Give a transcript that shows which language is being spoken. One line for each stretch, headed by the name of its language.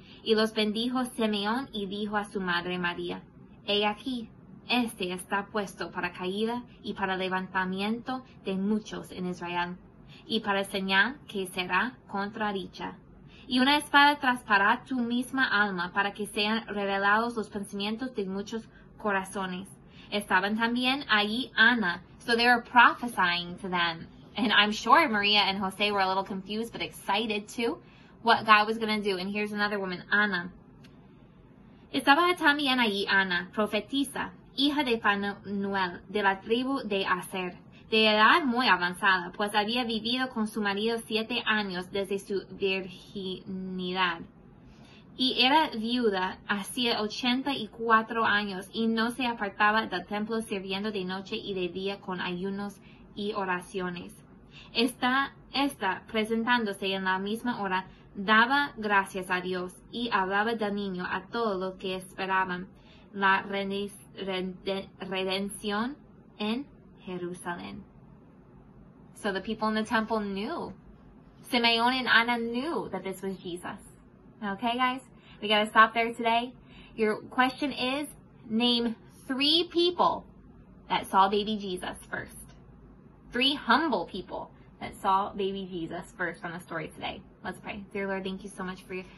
Spanish: Y los bendijo Simeón y dijo a su madre María, He aquí, este está puesto para caída y para levantamiento de muchos en Israel, y para señal que será contradicha. Y una espada traspasará tu misma alma para que sean revelados los pensamientos de muchos corazones. Estaban también allí Ana.
English: So they were prophesying to them. And I'm sure Maria and Jose were a little confused but excited too what God was going to do. And here's another woman, Ana.
Spanish: Estaba también allí Ana, profetisa, hija de Fanuel, de la tribu de Aser. De edad muy avanzada, pues había vivido con su marido 7 años desde su virginidad. Y era viuda hacía 84 años y no se apartaba del templo sirviendo de noche y de día con ayunos y oraciones. Esta, presentándose en la misma hora, daba gracias a Dios y hablaba del niño a todos los que esperaban la redención en Jerusalén.
English: So the people in the temple knew. Simeon and Anna knew that this was Jesus. Okay, guys? We got to stop there today. Your question is, name 3 people that saw baby Jesus first. 3 humble people that saw baby Jesus first from the story today. Let's pray. Dear Lord, thank you so much for